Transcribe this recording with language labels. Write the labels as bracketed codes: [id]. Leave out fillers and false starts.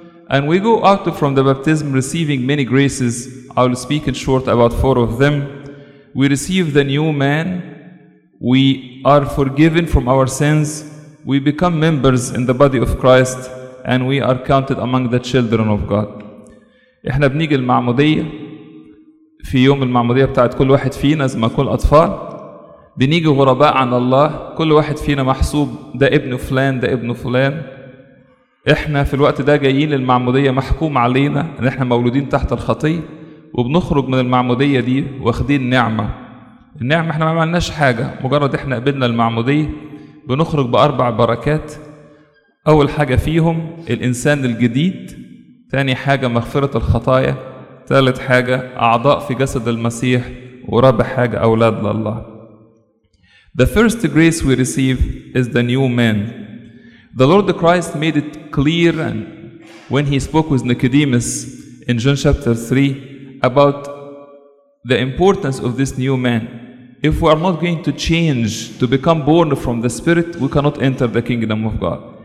[en] And we go out from the baptism receiving many graces. I will speak in short about four of them. We receive the new man. We are forgiven from our sins. We become members in the body of Christ. And we are counted among the children of God. [ar] احنا بنيجي المعمودية في يوم المعمودية بتاعت كل واحد فينا زي ما كل أطفال بنيجي غرباء عن الله. كل واحد فينا محسوب ده ابن فلان ده ابن فلان. احنا في الوقت ده جايين للمعمودية محكوم علينا ان احنا مولودين تحت الخطية وبنخرج من المعمودية دي واخدين نعمة. النعمة احنا ما عملناش حاجة, مجرد احنا قبلنا المعمودية بنخرج بأربع بركات. أول حاجة فيهم الإنسان الجديد, ثاني حاجة مغفرة الخطايا, ثالث حاجة أعضاء في جسد المسيح, ورابع حاجة أولاد لله. [en] The first grace we receive is the new man. The Lord Christ made it clear when He spoke with Nicodemus in John chapter 3 about the importance of this new man. If we are not going to change, to become born from the Spirit, we cannot enter the kingdom of God.